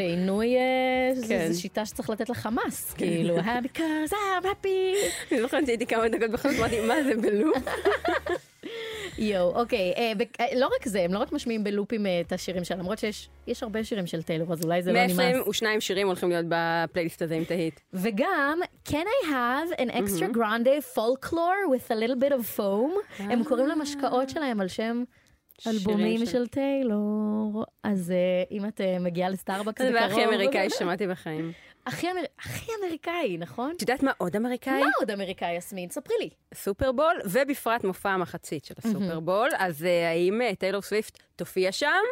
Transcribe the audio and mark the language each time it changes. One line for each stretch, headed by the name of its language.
Hebrew: זה עינוי, זה שיטה שצריך לתת לחמאס, כאילו.
English: Because I'm happy.
Hebrew: אני זוכר שהייתי כמה דקות בחנות, אמרתי, מה זה בלופ? יו, אוקיי, לא רק זה, הם לא רק משמיעים בלופים את השירים שלה, למרות שיש הרבה שירים של טיילור, אז אולי זה לא נמאס. 122 שירים הולכים להיות בפלייליסט הזה עם תהית. וגם,
English: can I have an extra grande folklore with a little bit of foam?
Hebrew: הם קוראים למשקאות שלהם על שם אלבומים של טיילור. אז אם את מגיעה לסטארבקס בקרוב... זה הכי אמריקאי ששמעתי בחיים. הכי אמריקאי, נכון? את יודעת מה עוד אמריקאי? מה עוד אמריקאי, יסמין? ספרי לי. סופרבול, ובפרט מופע המחצית של הסופרבול. אז האם טיילור סוויפט תופיע שם?